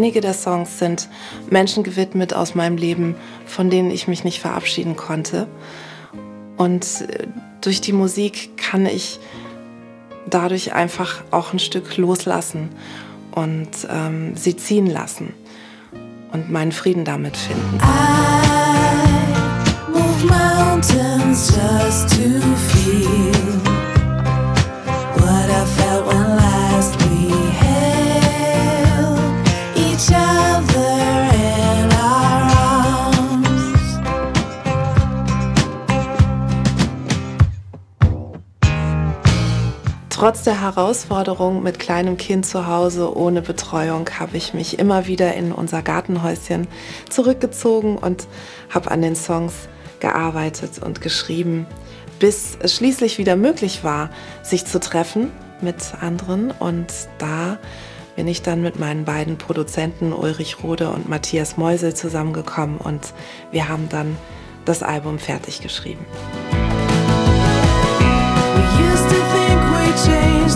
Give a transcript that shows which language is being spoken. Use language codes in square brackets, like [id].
[de] Einige der Songs sind Menschen gewidmet aus meinem Leben, von denen ich mich nicht verabschieden konnte. Und durch die Musik kann ich dadurch einfach auch ein Stück loslassen und sie ziehen lassen und meinen Frieden damit finden. [en] I move mountains just to feel what I felt when last we held each other in our arms. [de] Trotz der Herausforderung mit kleinem Kind zu Hause ohne Betreuung habe ich mich immer wieder in unser Gartenhäuschen zurückgezogen und habe an den Songs gearbeitet und geschrieben, bis es schließlich wieder möglich war, sich zu treffen mit anderen. Und da bin ich dann mit meinen beiden Produzenten Ulrich Rode und Matthias Meusel zusammengekommen und wir haben dann das Album fertig geschrieben. [en] We used to think we changed.